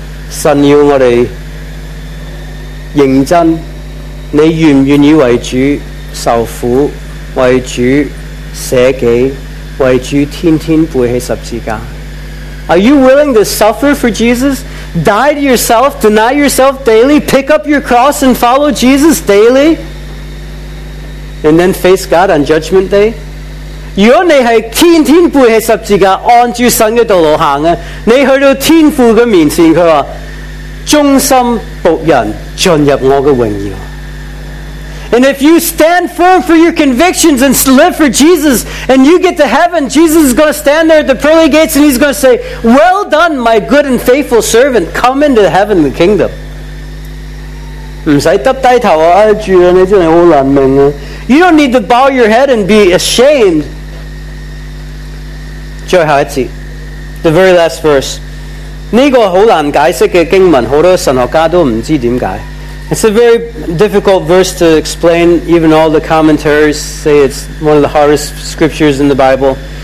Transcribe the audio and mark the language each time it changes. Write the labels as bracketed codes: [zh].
[zh] 神要我哋认真，你愿唔愿意为主受苦，为主舍己，为主天天背起十字架？ [en] Are you willing to suffer for Jesus? Die to yourself, deny yourself daily, pick up your cross and follow Jesus daily, and then face God on Judgment Day? [zh] 如果你是天天背起十字架按住神的道路行，你去到天父的面前，他说忠心仆人进入我的荣耀。 [en] And if you stand firm for your convictions and live for Jesus, and you get to heaven, Jesus is going to stand there at the pearly gates and he's going to say, "Well done, my good and faithful servant. Come into the heavenly kingdom." You don't need to bow your head and be ashamed. The very last verse. [zh] 这个很难解释的经文，很多神学家都唔知点解。 [en] It's a very difficult verse to explain. Even all the commentaries say it's one of the hardest scriptures in the Bible.